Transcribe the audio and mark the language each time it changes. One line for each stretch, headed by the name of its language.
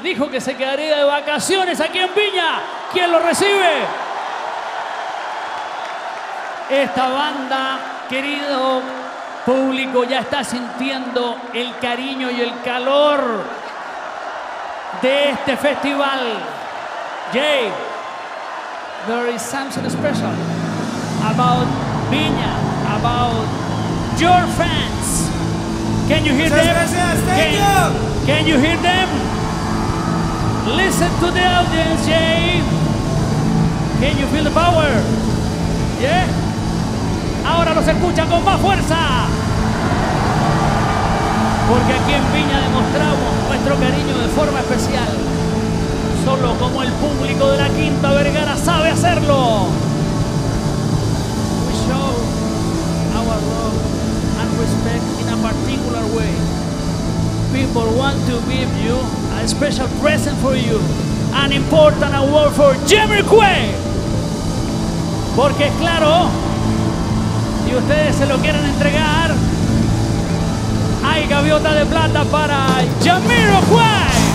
Spanish: Dijo que se quedaría de vacaciones aquí en Viña. ¿Quién lo recibe? Esta banda, querido público, ya está sintiendo el cariño y el calor de este festival.
English: Jay, there is something special about Viña, about your fans. Can you hear them? Can you hear them? Listen to the audience, Jay. Can you feel the power? Yeah?
Spanish: Ahora los escucha con más fuerza. Porque aquí en Viña demostramos nuestro cariño de forma especial. Solo como el público de la Quinta Vergara sabe hacerlo.
English: We show our love and respect in a particular way. People want to give you a special present for you. An important award for Jamiroquai.
Spanish: Porque es claro, si ustedes se lo quieren entregar, hay gaviota de plata para Jamiroquai.